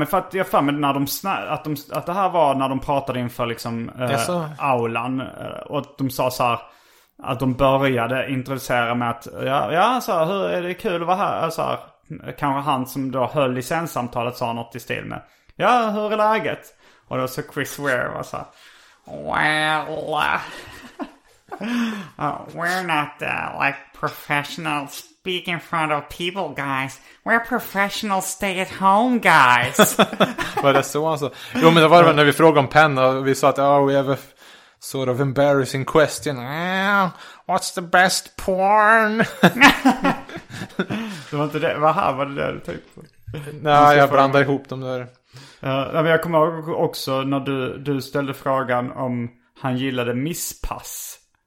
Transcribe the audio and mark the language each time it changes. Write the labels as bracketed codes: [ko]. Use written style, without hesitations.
[sv] Jag för mig att det här var när de pratade inför liksom aulan, och de sa så här, att de började introducera med att hur är det, kul att vara här, så här, kanske han som då höll licenssamtalet sa något i stil med ja, hur är läget? Och då så Chris Ware var så här, [en] well we're not like professional speak in front of people guys, we're professional stay at home guys. [sv] Var det så han sa? Jo, men det var det när vi frågade om penna och vi sa att [en] we have a sort of embarrassing question. What's the best porn? [sv] Det var inte det. Var det där du tänkte på? Nej, jag blandade ihop dem där. Men jag kommer ihåg också när du ställde frågan om han gillade misspass.